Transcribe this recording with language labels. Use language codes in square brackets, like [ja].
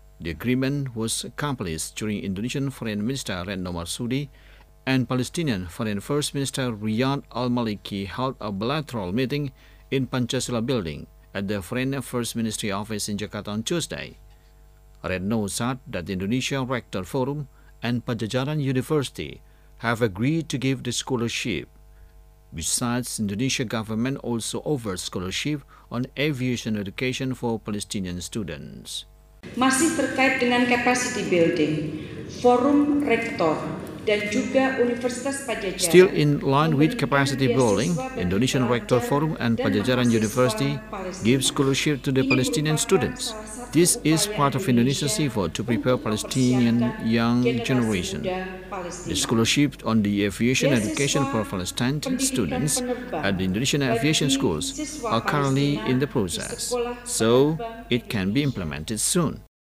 [en] The agreement was accomplished during Indonesian Foreign Minister Retno Marsudi and Palestinian Foreign First Minister Riyad Al-Maliki held a bilateral meeting in Pancasila building at the Foreign Affairs Ministry office in Jakarta on Tuesday. Retno said that the Indonesia Rector Forum and Pajajaran University have agreed to give the scholarship. Besides, Indonesia government also offers scholarship on aviation education for Palestinian students. [id] Masih terkait dengan capacity building, forum rektor dan juga Universitas Pajajaran. [en] Still in line with capacity building, Indonesian Rector Forum and Pajajaran University gives scholarship to the Palestinian students. This is part of Indonesia's effort to prepare Palestinian young generation. The scholarship on the aviation education for Palestinian students at the Indonesian aviation schools are currently in the process, so it can be implemented soon.